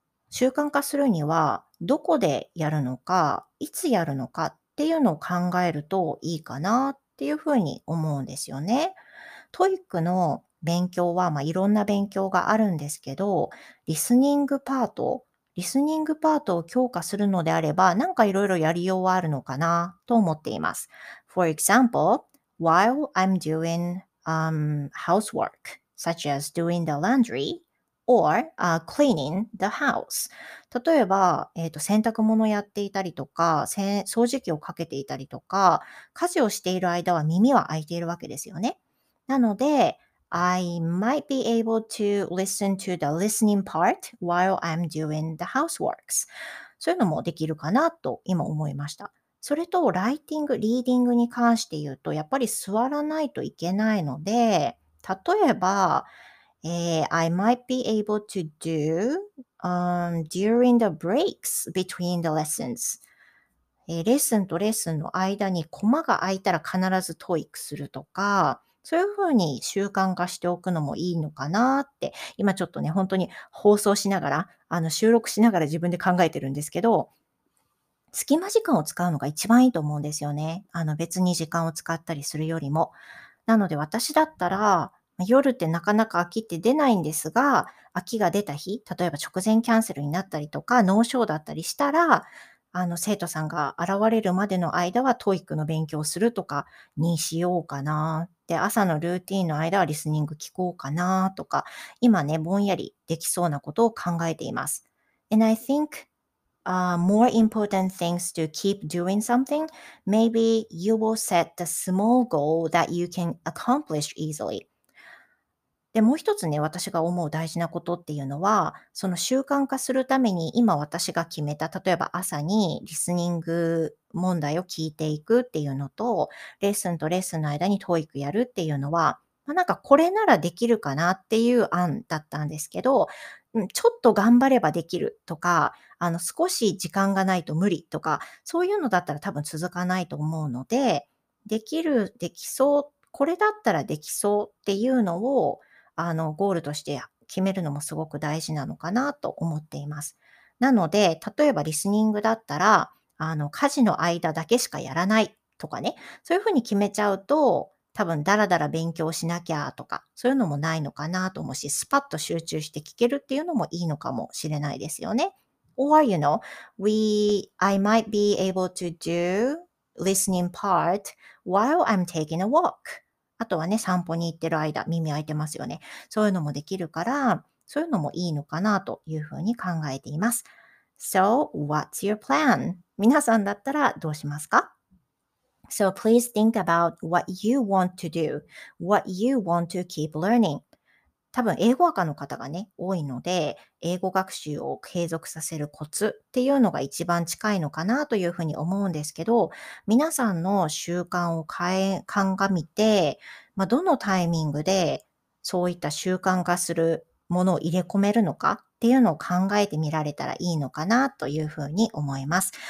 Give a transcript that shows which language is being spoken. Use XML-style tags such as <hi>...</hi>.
<ja>習慣化するにはどこでやるのか、いつやるのかっていうのを考えるといいかなっていうふうに思うんですよね。 TOEICの勉強は、まあ、いろんな勉強があるんですけど、リスニングパートを強化するのであれば、なんかいろいろやりようはあるのかなと思っています。</ja> <en>For example, while I'm doing, housework,such as doing the laundry or, cleaning the house.</en> <ja>例えば、洗濯物をやっていたりとか、掃除機をかけていたりとか、家事をしている間は耳は開いているわけですよね。</ja> <en>なので、I might be able to listen to the listening part while I'm doing the houseworks.</en> <ja>そういうのもできるかなと今思いました。それと、ライティング、リーディングに関して言うと、やっぱり座らないといけないので、例えば、</ja> <en>I might be able to do, during the breaks between the lessons.、</en> <ja>レッスンとレッスンの間にコマが空いたら必ずトイックするとか、そういうふうに習慣化しておくのもいいのかなって、今ちょっとね、本当に放送しながら、収録しながら自分で考えてるんですけど、隙間時間を使うのが一番いいと思うんですよね。別に時間を使ったりするよりも。なので私だったら夜ってなかなか飽きって出ないんですが飽きが出た日例えば直前キャンセルになったりとか脳症だったりしたら生徒さんが現れるまでの間はトイックの勉強をするとかにしようかなで朝のルーティーンの間はリスニング聞こうかなとか今ねぼんやりできそうなことを考えています</ja> <en>And I think more important things to keep doing something, maybe you will set the small goal that you can accomplish easily.</en> <ja>でもう一つね、私が思う大事なことっていうのは、その習慣化するために今私が決めた、例えば朝にリスニング問題を聞いていくっていうのと、レッスンとレッスンの間にTOEICやるっていうのは、まあ、なんかこれならできるかなっていう案だったんですけど、ちょっと頑張ればできるとか、少し時間がないと無理とか、そういうのだったら多分続かないと思うので、できる、できそう、これだったらできそうっていうのを、ゴールとして決めるのもすごく大事なのかなと思っています。なので、例えばリスニングだったら、家事の間だけしかやらないとかね、そういうふうに決めちゃうと、多分ダラダラ勉強しなきゃとか、そういうのもないのかなと思うし、スパッと集中して聞けるっていうのもいいのかもしれないですよね。</ja> <en>Or, you know, I might be able to do listening part while I'm taking a walk.</en> <ja>あとはね、散歩に行ってる間、耳開いてますよね。そういうのもできるから、そういうのもいいのかなというふうに考えています。</ja> <en>So, what's your plan?</en> <ja>皆さんだったらどうしますか？</ja> <en>So please think about what you want to do, what you want to keep learning.</en> <ja>多分英語学科の方がね、多いので、英語学習を継続させるコツっていうのが一番近いのかなというふうに思うんですけど、皆さんの習慣を鑑みて、まあ、どのタイミングでそういった習慣化するものを入れ込めるのか、っていうのを考えてみられたらいいのかなというふうに思います。</ja>